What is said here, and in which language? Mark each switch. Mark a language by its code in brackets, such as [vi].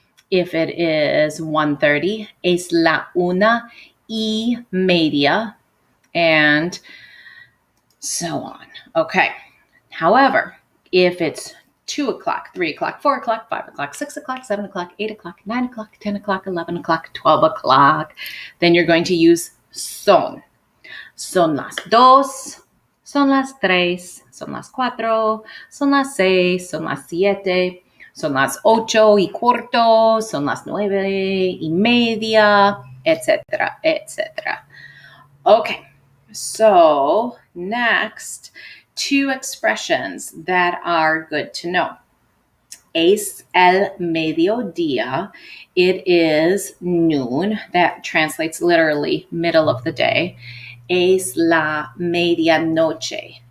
[en] If it is 1:30, [es] es la una y media, [en] and so on. Okay. However, if it's 2 o'clock, 3 o'clock, 4 o'clock, 5 o'clock, 6 o'clock, 7 o'clock, 8 o'clock, 9 o'clock, 10 o'clock, 11 o'clock, 12 o'clock, then you're going to use son. [es] Son las dos, son las tres, son las cuatro, son las seis, son las siete, son las ocho y cuarto, son las nueve y media, etcétera, etcétera. [en] Okay. So next, two expressions that are good to know. [es] Es el mediodía. [en] It is noon. That translates literally middle of the day. [es] Es la medianoche.